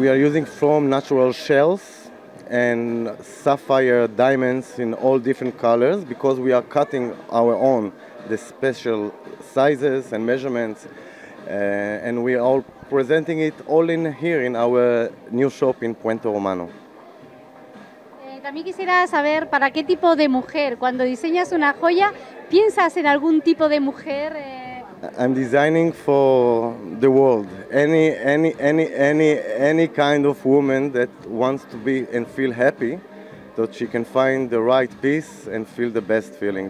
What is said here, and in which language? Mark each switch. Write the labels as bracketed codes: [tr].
[en] We are using from natural shells and sapphire diamonds in all different colors, because we are cutting our own, the special sizes and measurements, and we are all presenting it all in here in our new shop in Puente Romano. [es] También quisiera saber para qué tipo de mujer, cuando diseñas una joya, piensas en algún tipo de mujer. [en] I'm designing for the world. Any kind of woman that wants to be and feel happy, that she can find the right peace and feel the best feeling.